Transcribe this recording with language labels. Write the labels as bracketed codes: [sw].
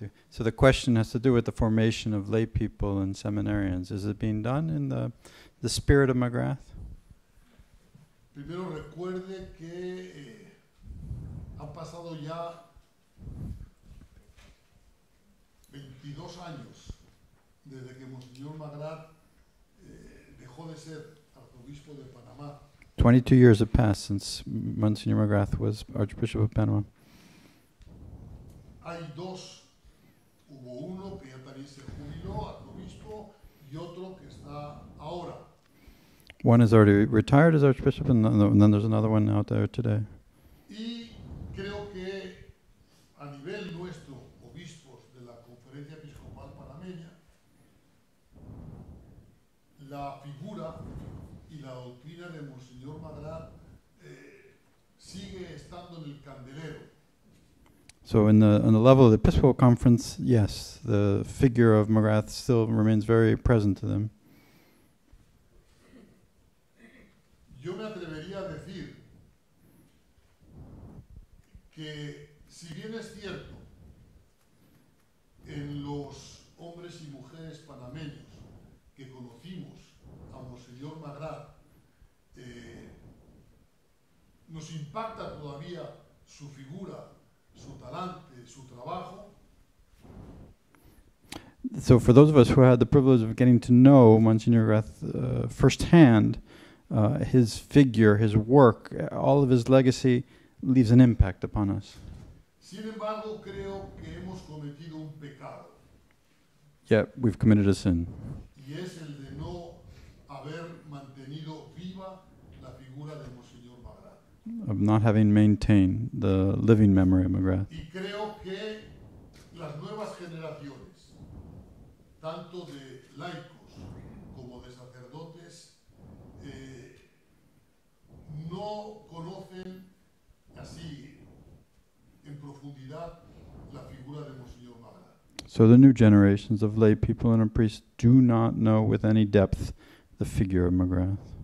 [en] So the question has to do with the formation of lay people and seminarians. Is it being done in the spirit of McGrath? [es] Primero recuerde que han pasado ya 22 años desde que Monseñor McGrath dejó de ser arzobispo de Panamá. [en] 22 years have passed since Monseñor McGrath was Archbishop of Panama. [es] Hay dos. Hubo uno que ya también se jubiló, arzobispo, y otro que está ahora. [en] One is already retired as Archbishop, and then there's another one out there today. [es] Y creo que a nivel nuestro, obispos de la Conferencia Episcopal Panameña, la figura y la doctrina de Monseñor McGrath sigue estando en el candelero. [en] So on the level of the Episcopal Conference, yes, the figure of McGrath still remains very present to them. [es] Yo me atrevería a decir que si bien es cierto en los hombres y mujeres panameños que conocimos a Monseñor McGrath, nos impacta todavía su figura, su talante, su trabajo. [en] So for those of us who had the privilege of getting to know Monseñor McGrath firsthand, his figure, his work, all of his legacy leaves an impact upon us. [es] Sin embargo, creo que hemos cometido un pecado. [en] Yeah, we've committed a sin. [es] Y es el de no haber mantenido viva la figura de Monseñor McGrath. [en] Of not having maintained the living memory of McGrath. [es] Y creo que las nuevas generaciones, tanto de laicos como de sacerdotes, no conocen así en profundidad la figura de Monseñor McGrath. [en] So the new generations of lay people and priests do not know with any depth the figure of McGrath.